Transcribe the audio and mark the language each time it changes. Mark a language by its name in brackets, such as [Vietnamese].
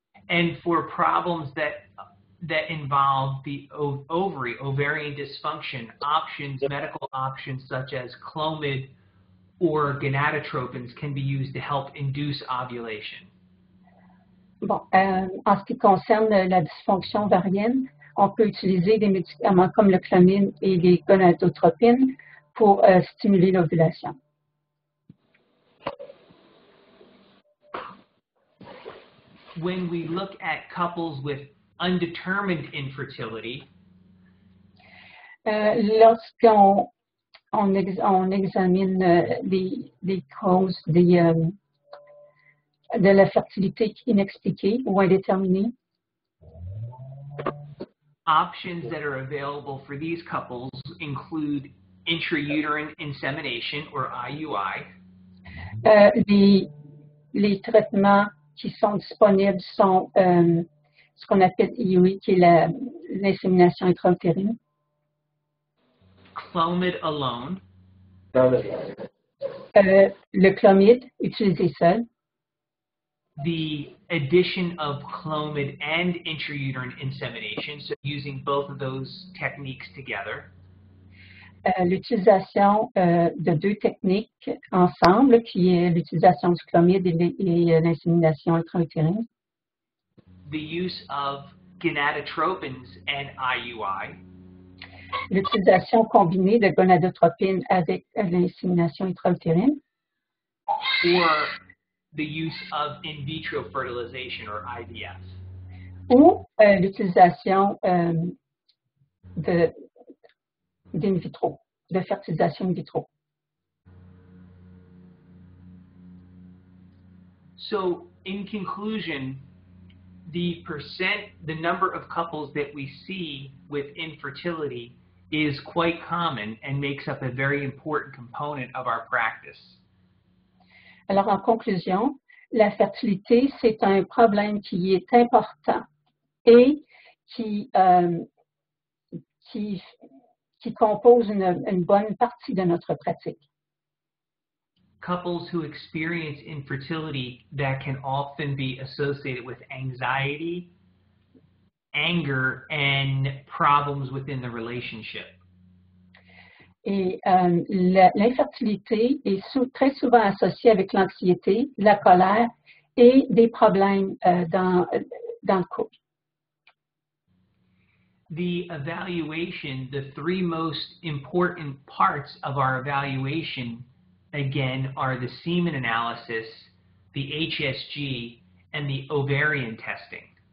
[English] And for problems that involve the ovary, ovarian dysfunction, options, medical options such as Clomid or gonadotropins can be used to help induce ovulation. [French] Bon, en ce qui concerne la dysfonction ovarienne, on peut utiliser des médicaments comme le Clomid et les gonadotropines pour stimuler l'ovulation. [English] When we look at couples with undetermined infertility, [French] lorsqu'on examine les causes de la fertilité inexpliquée ou indéterminée, [English] options that are available for these couples include intrauterine insemination or IUI. [French] Les traitements qui sont disponibles sont ce qu'on appelle IUI, qui est l'insémination intra-utérine. [English] Clomid alone. [French] Le clomid utilisé seul. [English] The addition of clomid and intrauterine insemination, so using both of those techniques together. [French] L'utilisation de deux techniques ensemble, qui est l'utilisation du clomid et l'insémination intra-utérine. [English] The use of gonadotropins and IUI. [French] L'utilisation combinée de gonadotropines avec l'insémination intra-utérine. [English] Or the use of in vitro fertilization or IVF. [French] Ou l'utilisation d'in vitro, de fertilisation in vitro. [English] So, in conclusion, the percent, the number of couples that we see with infertility is quite common and makes up a very important component of our practice. [French] Alors, en conclusion, la fertilité, c'est un problème qui est important et qui compose une bonne partie de notre pratique. [English] Couples who experience infertility that can often be associated with anxiety, anger, and problems within the relationship. [French] Et l'infertilité est très souvent associée avec l'anxiété, la colère et des problèmes dans le couple. [English] The evaluation, the three most important parts of our evaluation, again, are the semen analysis, the HSG, and the ovarian testing.